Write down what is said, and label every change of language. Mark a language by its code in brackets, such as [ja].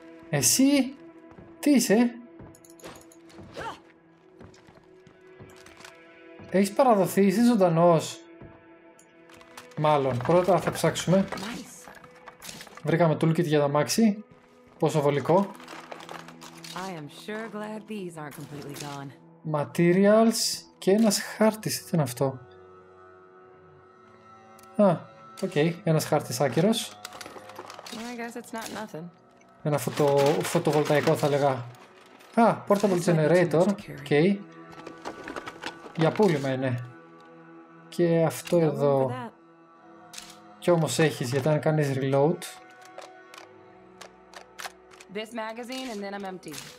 [el] Εσύ, τι είσαι. Έχεις παραδοθεί, είσαι ζωντανός. Μάλλον. Πρώτα θα ψάξουμε. Nice. Βρήκαμε toolkit για τα μάξι. Πόσο βολικό. [en] I am sure glad these aren't completely gone. [el] Materials και ένας χάρτης. Τι είναι αυτό. Α, οκ. Okay. Ένας χάρτης άκυρος. [en] Well, I guess it's not nothing. [el] Ένα φωτοβολταϊκό θα λέγα. Α, portable generator. Οκ. Okay. Για πούλημα είναι. Και αυτό εδώ. Κι όμως έχεις, γιατί αν κάνεις reload [en] this magazine and then I'm empty.